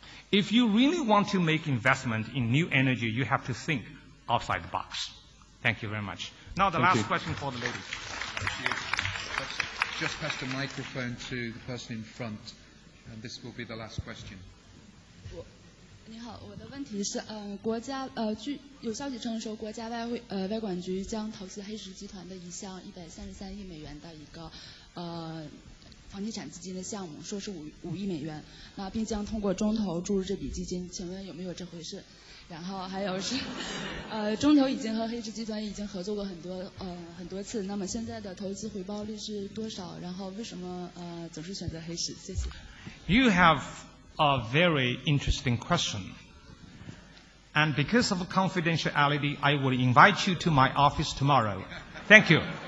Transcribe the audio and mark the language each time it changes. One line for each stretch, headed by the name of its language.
English: If you really want to make investment in new energy, you have to think outside the box. Thank you very much. Now the last question for the lady. Just pass the microphone to the person in front, and this will be the last question.
Chinese: 好，我的问题是，国家有消息称说，国家外管局将投资黑石集团的一项133亿美元的一个房地产基金的项目，说是5亿美元，那并将通过中投注入这笔基金，请问有没有这回事？然后还有是，中投已经和黑石集团已经合作过很多次，那么现在的投资回报率是多少？然后为什么总是选择黑石？谢谢。
English: You have a very interesting question, and because of confidentiality, I will invite you to my office tomorrow. Thank you.